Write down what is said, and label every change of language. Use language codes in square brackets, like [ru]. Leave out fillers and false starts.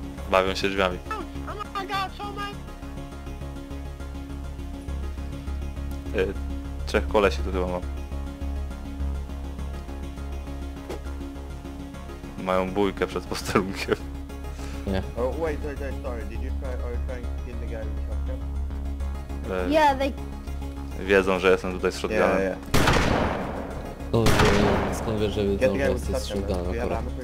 [pl] Bawią się drzwiami. Trzech kolesi tu chyba ma. Mają bójkę przed posterunkiem. Nie. [en] Oh wait, sorry, did you try or trying to kill the guy with shotgun? Yeah, they... [pl] Wiedzą, że jestem tutaj z shotgunem. Skąd wiesz, że wiedzą, że jesteś z shotgunem akurat?